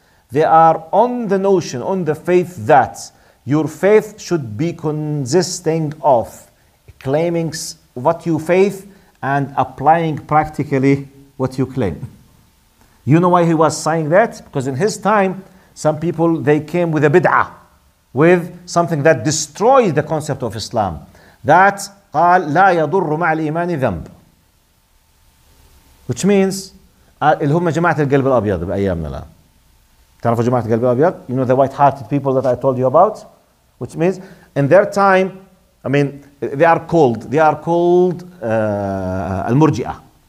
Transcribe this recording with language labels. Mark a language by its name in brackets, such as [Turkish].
[English] They are on the notion, on the faith that your faith should be consisting of claiming what you faith and applying practically what you claim. You know why he was saying that? Because in his time, some people, they came with a bid'ah, with something that destroyed the concept of Islam. [Arabic] That, قال, لا يضر مع الإيمان ذنب. [English] Which means, [Arabic] اللي هم جماعة القلب الأبيض بأيامنا الآن. تعرفوا جماعة القلب الأبيض؟ [English] You know the white-hearted people that I told you about? Which means, in their time, I mean, they are called المرجئة.